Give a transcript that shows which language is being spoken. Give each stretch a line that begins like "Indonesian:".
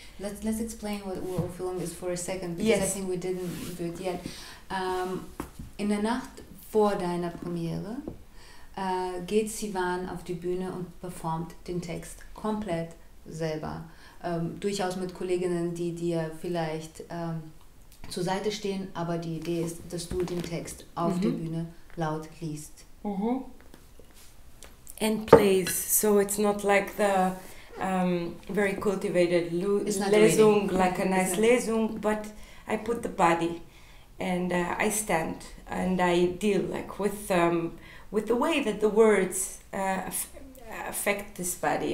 English: Let's explain what Urfung is for a second, because yes. I think we didn't do it yet.
German: In der Nacht vor deiner Premiere geht Sivan auf die Bühne und performt den Text komplett selber. Durchaus mit Kolleginnen, die dir vielleicht zur Seite stehen, aber die Idee ist, dass du den Text auf mm-hmm. der Bühne laut liest. Mm-hmm.
English: And plays, so it's not like the very cultivated Lesung, like a nice Lesung, but I put the body and I stand and I deal like with the way that the words affect this body.